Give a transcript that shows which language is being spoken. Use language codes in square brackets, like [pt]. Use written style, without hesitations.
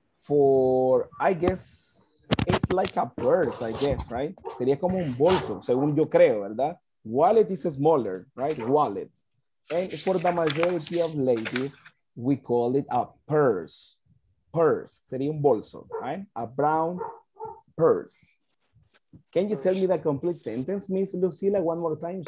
[en] For, I guess, it's like a purse, I guess, right? [es] Sería como un bolso, según yo creo, ¿verdad? [en] Wallet is smaller, right? Wallet. And for the majority of ladies, we call it a purse. Purse, [es] sería un bolso, [en] right? A brown purse. Can you tell me the complete sentence, Miss Lucila, one more time?